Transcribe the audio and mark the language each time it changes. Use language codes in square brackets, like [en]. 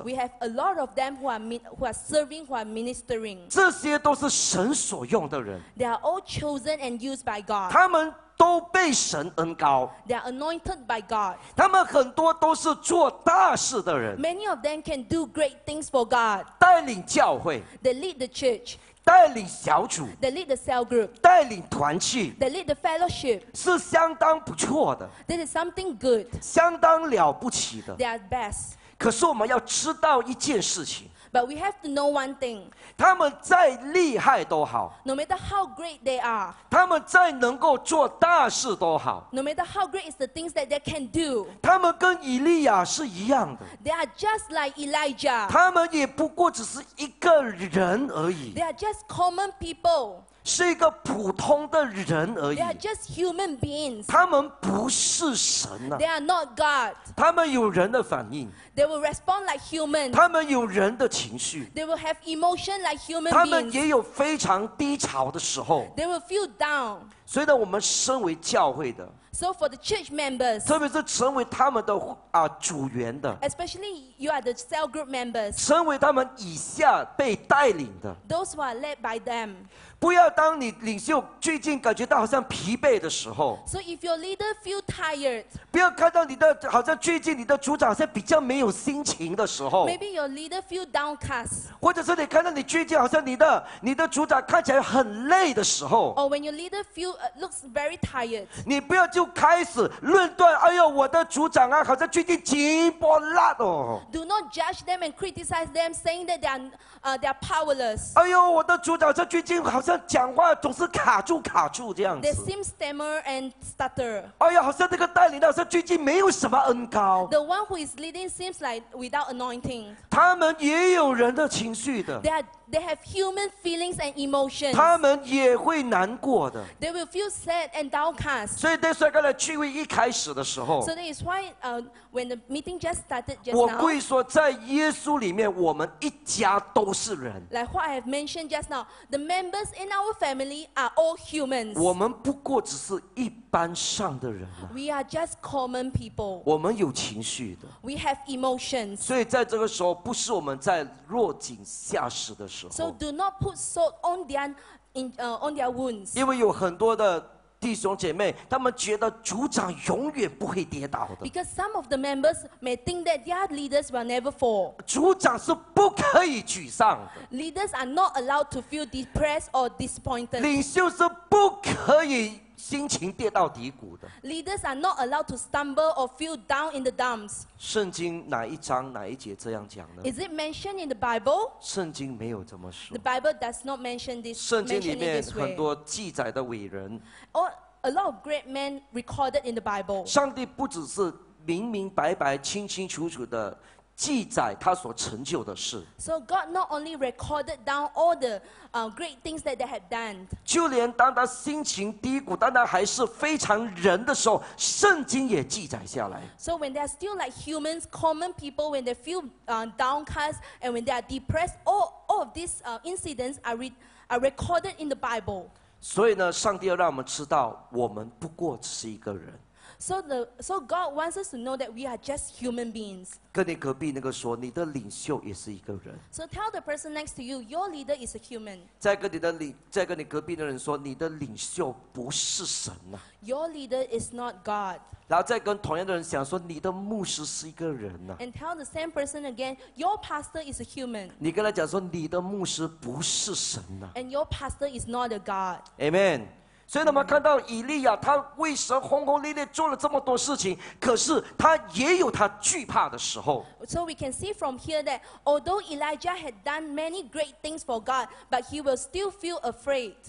[en] We have a lot of them who are serving, who are ministering. [zh] 这些都是神所用的人。 [en] They are all chosen and used by God. [zh] 他们都被神恩膏。 [en] They are anointed by God. [zh] 他们很多都是做大事的人。 [en] Many of them can do great things for God. [zh] 带领教会。 [en] They lead the church. [zh] 带领小组。 [en] They lead the cell group. [zh] 带领团契。 [en] They lead the fellowship. [zh] 是相当不错的。 [en] This is something good. [zh] 相当了不起的。 [en] They are best. [zh] 可是我们要知道一件事情。 [en] But we have to know one thing. [zh] 他们再厉害都好。 [en] No matter how great they are. [zh] 他们再能够做大事都好。 [en] No matter how great is the things that they can do. [zh] 他们跟以利亚是一样的。 [en] They are just like Elijah. [zh] 他们也不过只是一个人而已。 [en] They are just common people. [zh] 是一个普通的人而已。 [en] They are just human beings. [zh] 他们不是神啊。 [en] They are not God. [zh] 他们有人的反应。 [en] They will respond like human. [zh] 他们有人的情绪。 [en] They will have emotion like human beings. [zh] 他们也有非常低潮的时候。 [en] They will feel down. [zh] 所以呢，我们身为教会的。 [en] So for the church members. [zh] 特别是成为他们的组员的。 [en] Especially you are the cell group members. [zh] 成为他们以下被带领的。 [en] Those who are led by them. [zh] 不要当你领袖最近感觉到好像疲惫的时候。 [en] So if your leader feel tired. [zh] 不要看到你的好像最近你的组长好像比较没有心情的时候。 [en] Maybe your leader feel downcast. [zh] 或者是你看到你最近好像你的组长看起来很累的时候。 [en] Or when your leader feel looks very tired. [zh] 你不要就开始论断，哎呦，我的组长啊，好像最近紧迫辣哦。 [en] Do not judge them and criticize them, saying that they are powerless. [zh] 哎呦，我的组长这最近好像讲话总是卡住这样子。 [en] They seem stammer and stutter. [zh] 哎呦，好像那个带领的，好像最近没有什么恩膏。 [en] The one who is leading seems like without anointing. [zh] 他们也有人的情绪的。 [en] They have human feelings and emotions. [zh] 他们也会难过的。 [en] They will feel sad and downcast. [zh] 所以， [en] that's why [zh] 刚才聚会一开始的时候。 [en] So that is why, when the meeting just started just now. [zh] 我故意说，在耶稣里面，我们一家都是人。 [en] Like what I have mentioned just now, the members in our family are all humans. [zh] 我们不过只是一般上的人。 [en] We are just common people. [zh] 我们有情绪的。 [en] We have emotions. [zh] 所以在这个时候，不是我们在落井下石的。 [en] So do not put salt on their wounds. [zh] 因为有很多的弟兄姐妹，他们觉得组长永远不会跌倒的。 [en] Because some of the members may think that their leaders will never fall. [zh] 组长是不可以沮丧的。 [en] Leaders are not allowed to feel depressed or disappointed. [zh] 领袖是不可以心情跌到低谷的。 [en] Leaders are not allowed to stumble or feel down in the dumps. [zh] 圣经哪一章哪一节这样讲呢？ [en] Is it mentioned in the Bible? [zh] 圣经没有这么说。 [en] The Bible does not mention this. [zh] 圣经里面很多记载的伟人。 [en] Or a lot of great men recorded in the Bible. [zh] 上帝不只是明明白白、清清楚楚的记载他所成就的事。 [en] So God not only recorded down all the great things that they had done. [zh] 就连当他心情低谷，当他还是非常人的时候，圣经也记载下来。 [en] So when they are still like humans, common people, when they feel downcast and when they are depressed, all of these incidents are recorded in the Bible. [zh] 所以呢，上帝要让我们知道，我们不过只是一个人。 [en] So God wants us to know that we are just human beings. [zh] 跟你隔壁那个说，你的领袖也是一个人。 [en] So tell the person next to you, your leader is a human. [zh] 再跟你隔壁的人说，你的领袖不是神呐。 [en] Your leader is not God. [zh] 然后再跟同样的人讲说，你的牧师是一个人呐。 [en] And tell the same person again, your pastor is a human. [zh] 你跟他讲说，你的牧师不是神呐。 [en] And your pastor is not a God. Amen. [zh] 所以我们看到以利亚，他为神轰轰烈烈做了这么多事情，可是他也有他惧怕的时候。 [en] So we can see from here that although Elijah had done many great things for God, but he will still feel afraid.